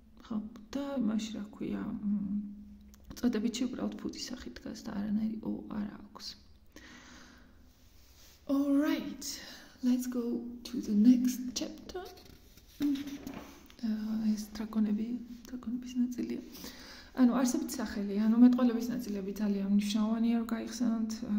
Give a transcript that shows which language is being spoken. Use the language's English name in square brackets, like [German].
[Georgian] ხო, და იმაში რა ქვია, წოდებითში უბრალოდ ფუძის სახით დგას და არანაირი ო არ აქვს. [English] All right, let's go to the next chapter. [Georgian] Ეს დრაკონების ნაწილია. ანუ არსებითი სახელი, ანუ მეტყველების ნაწილები ძალიან მნიშვნელოვანია, რომ გაიხსენოთ.